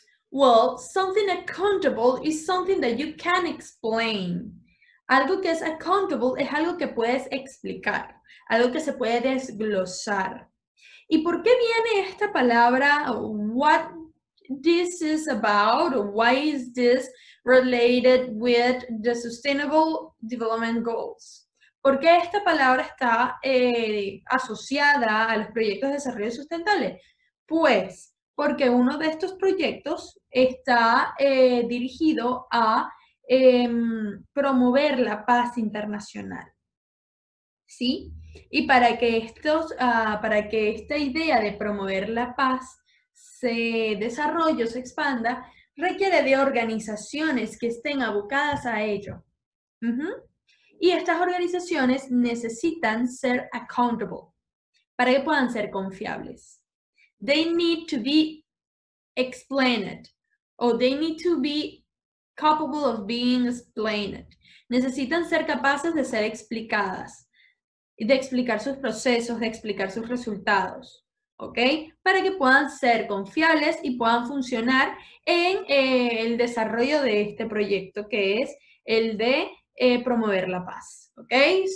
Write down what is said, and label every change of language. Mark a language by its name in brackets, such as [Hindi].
[English] Well, something accountable is something that you can explain. [Spanish] Algo que es accountable es algo que puedes explicar, algo que se puede desglosar. ¿Y por qué viene esta palabra? [English] What this is about? Why is this related with the Sustainable Development Goals? [Spanish] ¿Por qué esta palabra está asociada a los proyectos de desarrollo sustentable? Pues, porque uno de estos proyectos está dirigido a promover la paz internacional, ¿sí? Y para que estos, para que esta idea de promover la paz se desarrolle o se expanda, requiere de organizaciones que estén abocadas a ello. Y estas organizaciones necesitan ser accountable para que puedan ser confiables. [English] They need to be explained, or they need to be capable of being explained. [Spanish] Necesitan ser capaces de ser explicadas, de explicar sus procesos, de explicar sus resultados, ¿ok? Para que puedan ser confiables y puedan funcionar en el desarrollo de este proyecto que es el de promover la paz, ¿ok?